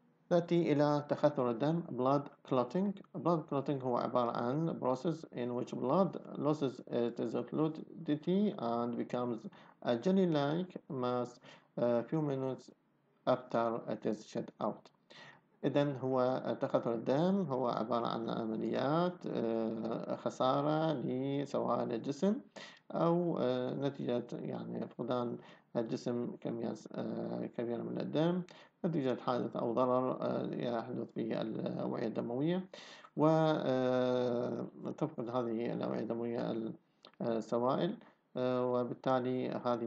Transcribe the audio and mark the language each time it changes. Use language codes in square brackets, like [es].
[ar] نأتي إلى تخثر الدم blood clotting. [en] blood clotting [ar] هو عبارة عن [en] process in which blood loses its fluidity and becomes a jelly-like mass a few minutes after it is shed out. [ar] إذن هو تخثر الدم هو عبارة عن عمليات خسارة لسوائل الجسم أو نتيجة يعني فقدان الجسم كمية كبيرة من الدم نتيجة حادث أو ضرر يحدث في الأوعية الدموية، وتفقد هذه الأوعية الدموية السوائل، وبالتالي